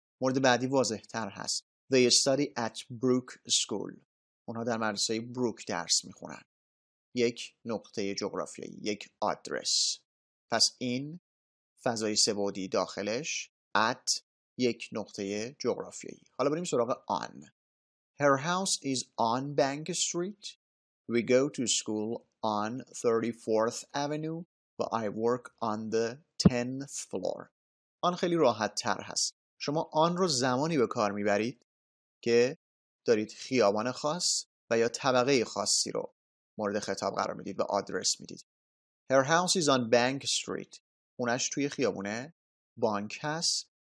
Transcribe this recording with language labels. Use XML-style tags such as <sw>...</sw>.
<fa>مورد بعدی واضح تر هست.</fa> <en>They study at Brook School.</en> <fa>اونها در مدرسه بروک درس میخونن. یک نقطه جغرافیایی، یک آدرس. پس این فضای سه‌بعدی داخلش at یک نقطه جغرافیایی. حالا بریم سراغ</fa> <en>on. Her house is on Bank Street. We go to school on 34th Avenue, but I work on the 10th floor.</en> <fa>آن خیلی راحت تر هست. شما آن رو زمانی به کار میبرید که دارید خیابان خاص و یا طبقه خاصی رو مورد خطاب قرار میدید و آدرس میدید.</fa> <en>Her house is on Bank Street.</en> <fa>اونش توی خیابونه بانک هست.</fa>